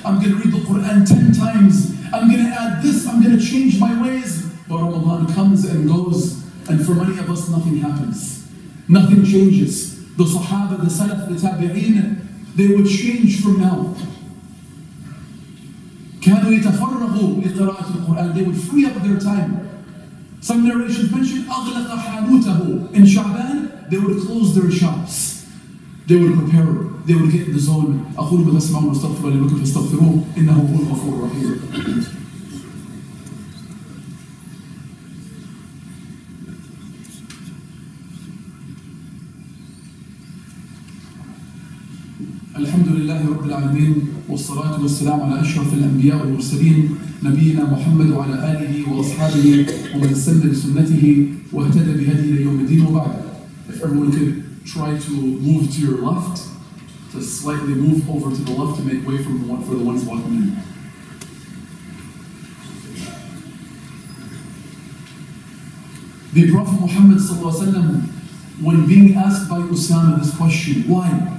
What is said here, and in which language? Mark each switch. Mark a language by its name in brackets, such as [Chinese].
[English] I'm going to read the Qur'an 10 times. I'm going to add this. I'm going to change my ways. But Ramadan comes and goes. And for many of us, nothing happens. Nothing changes. The Sahaba, the Salaf, the Tabi'een, they would change from now. [Arabic] كانوا يتفرغوا لقراءة القرآن. [English] They would free up their time. Some narrations mention [Arabic] أغلق حانوته [English] in Shaaban. They would close their shops. They would prepare. They would get in the zone. [Arabic] أقول بالله سمعوا واستغفروا لربكم فاستغفروه إنه هو الغفور الرحيم. الحمد لله رب العالمين والصلاة والسلام على أشرف الأنبياء والمرسلين نبينا محمد وعلى آله وأصحابه ومن سن بسنته واهتدى بهدي إلى يوم الدين. وبعد, [English] if everyone could try to move to your left, to slightly move over to the left to make way for the ones walking in. The Prophet Muhammad [Arabic] صلى الله عليه وسلم, [English] when being asked by Usama this question, why?